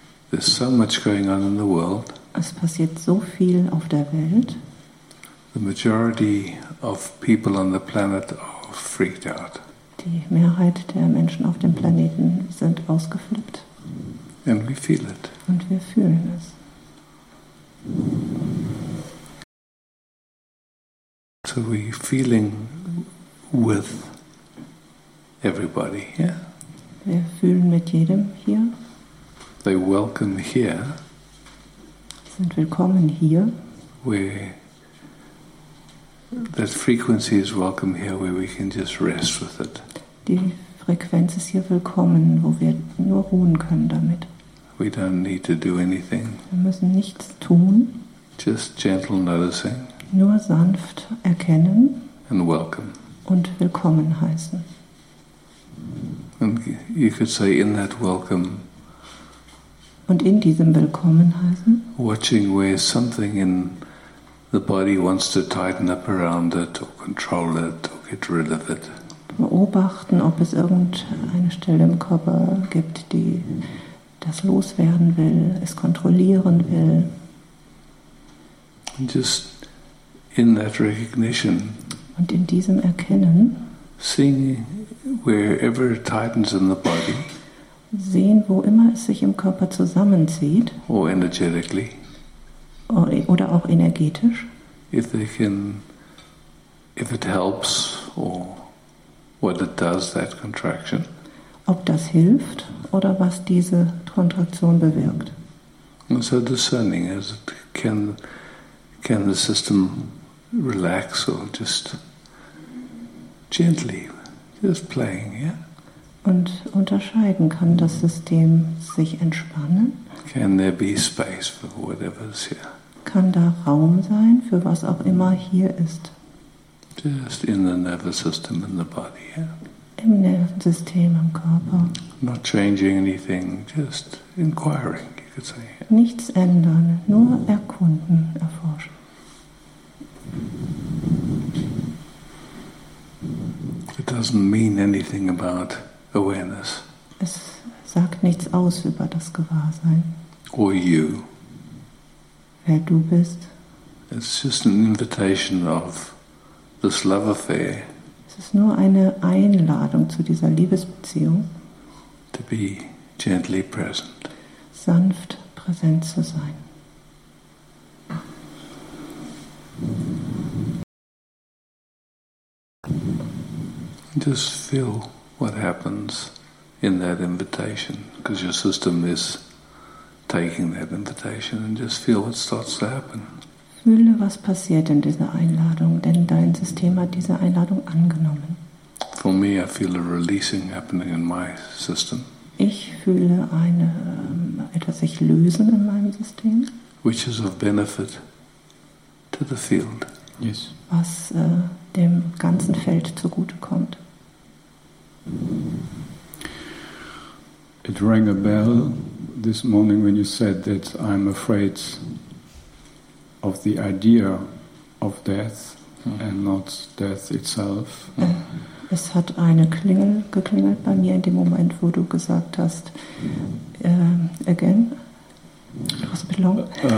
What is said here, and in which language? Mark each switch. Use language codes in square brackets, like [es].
[en] There's so much going on in the world. [de] Es passiert so viel auf der Welt. [en] The majority of people on the planet are freaked out. [de] Die Mehrheit der Menschen auf dem Planeten sind ausgeflippt. [en] And we feel it. [de] Und wir fühlen es. [en] So we're feeling with everybody here. [de] Wir fühlen mit jedem hier. [en] They welcome here. [de] sind willkommen hier. [en] That frequency is welcome here, where we can just rest with it. [de] Die Frequenz ist hier willkommen, wo wir nur ruhen können damit. [en] We don't need to do anything. [de] Wir müssen nichts tun. [en] Just gentle noticing. [de] Nur sanft erkennen. [en] And welcome. [de] Und willkommen heißen. [en] And you could say in that welcome. [de] Und in diesem willkommen heißen. [en] Watching where something in the body wants to tighten up around it or control it or get rid of it. [de] Beobachten, ob es irgendeine Stelle im Körper gibt, die das loswerden will, es kontrollieren will. [en] And just in that recognition. [de] Und in diesem Erkennen. [en] Seeing wherever it tightens in the body. [de] Sehen, wo immer es sich im Körper zusammenzieht. [en] Or energetically. [de] Oder auch energetisch. [en] If they can, if it helps or what it does, that contraction. [de] Ob das hilft oder was diese Kontraktion bewirkt. [en] And so discerning is it, can the system relax or just gently, just playing, yeah? [de] Und unterscheiden, kann das System sich entspannen? [en] Can there be space for whatever is here? [de] Kann da Raum sein für was auch immer hier ist? [en] Just in the nervous system in the body, yeah? [de] Im Nervensystem, im Körper. [en] Not changing anything, just inquiring, you could say. [de] Nichts ändern, nur erkunden, erforschen. [en] It doesn't mean anything about awareness. [de] Es sagt nichts aus über das Gewahrsein. [en] Or you. [de] Wer du bist. [en] It's just an invitation of this love affair. [de] Es ist nur eine Einladung zu dieser Liebesbeziehung. [en] To be gently present. [de] Sanft präsent zu sein. [en] Just feel what happens in that invitation, because your system is taking that invitation, and just feel what starts to happen. [de] Fühle, was passiert in dieser Einladung, denn dein System hat diese Einladung angenommen. [en] For me, I feel a releasing happening in my system. [de] Ich fühle eine etwas sich lösen in meinem System. [en] Which is of benefit to the field. Yes. [de] Was dem ganzen Feld zugute kommt. [en] It rang a bell this morning when you said that I'm afraid of the idea of death and not death itself. [de] Es hat eine Klingel geklingelt bei mir in dem Moment, wo du gesagt hast, [en] again, it was a bit long.